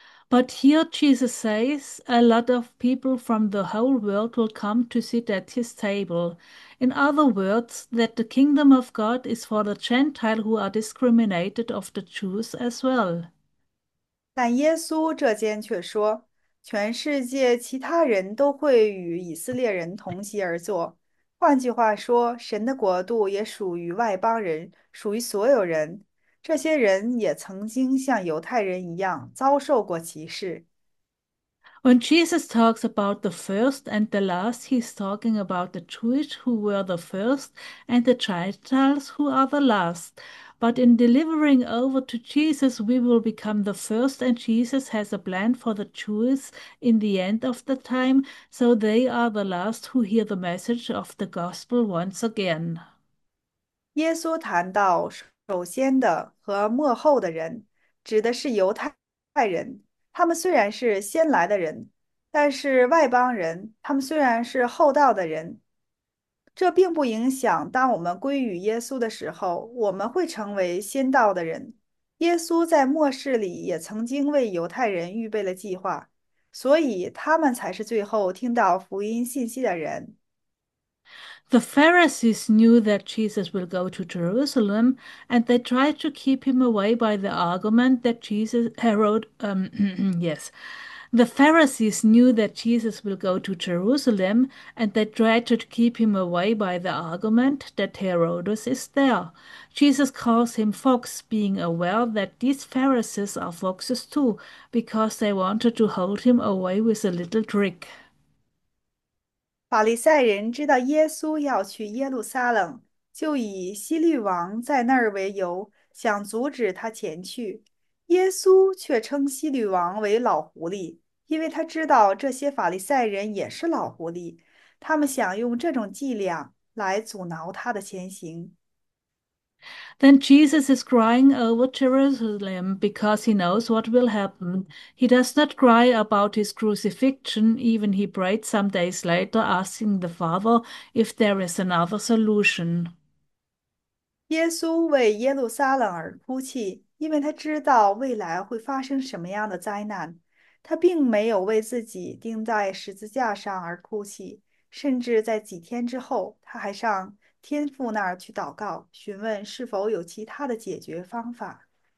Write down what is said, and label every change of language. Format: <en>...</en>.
<en>But here Jesus says a lot of people from the whole world will come to sit at his table. In other words, that the kingdom of God is for the Gentile who are discriminated of the Jews as well.</en> <zh>但耶稣这间却说，全世界其他人都会与以色列人同席而坐。换句话说，神的国度也属于外邦人，属于所有人。这些人也曾经像犹太人一样遭受过歧视。</zh> <en>When Jesus talks about the first and the last, he's talking about the Jewish who were the first and the Gentiles who are the last. But in delivering over to Jesus, we will become the first, and Jesus has a plan for the Jews in the end of the time, so they are the last who hear the message of the gospel once again.</en> <zh>耶稣谈到首先的和末后的人，指的是犹太人。他们虽然是先来的人，但是外邦人，他们虽然是后到的人，这并不影响当我们归于耶稣的时候，我们会成为先到的人。耶稣在末世里也曾经为犹太人预备了计划，所以他们才是最后听到福音信息的人。</zh> <en>The Pharisees knew that Jesus will go to Jerusalem, and they tried to keep him away by the argument that Jesus Herod yes. The Pharisees knew that Jesus will go to Jerusalem, and they tried to keep him away by the argument that Herodias is there. Jesus calls him fox, being aware that these Pharisees are foxes too, because they wanted to hold him away with a little trick.</en> <zh>法利赛人知道耶稣要去耶路撒冷，就以希律王在那儿为由，想阻止他前去。耶稣却称希律王为老狐狸，因为他知道这些法利赛人也是老狐狸，他们想用这种伎俩来阻挠他的前行。</zh> <en>Then Jesus is crying over Jerusalem because he knows what will happen. He does not cry about his crucifixion, even he prayed some days later, asking the Father if there is another solution.</en> <zh>耶稣为耶路撒冷而哭泣，因为他知道未来会发生什么样的灾难。他并没有为自己钉在十字架上而哭泣，甚至在几天之后，他还上天父那儿去祷告，询问是否有其他的解决方法。</zh>